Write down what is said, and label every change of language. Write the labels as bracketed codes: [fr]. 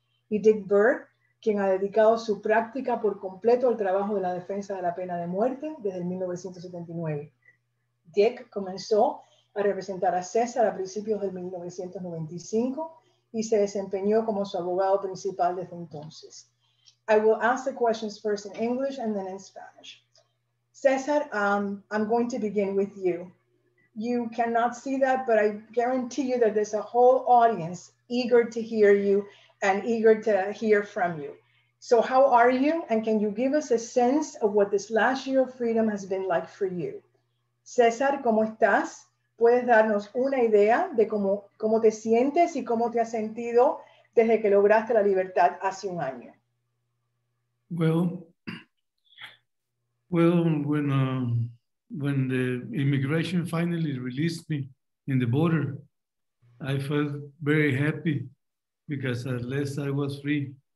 [es] Y Dick Burr, quien ha dedicado su práctica por completo al trabajo de la defensa de la pena de muerte desde 1979. Dick comenzó a representar a César a principios del 1995 y se desempeñó como su abogado principal desde entonces. [en] I will ask the questions first in English and then in Spanish. César, I'm going to begin with you. You cannot see that, but I guarantee you that there's a whole audience eager to hear you and eager to hear from you. So how are you? And can you give us a sense of what this last year of freedom has been like for you? [es] César, ¿cómo estás? ¿Puedes darnos una idea de cómo te sientes y cómo te has sentido desde que lograste la libertad hace un año? [en] Well, when the immigration finally released me in the border, I felt very happy because at least I was free.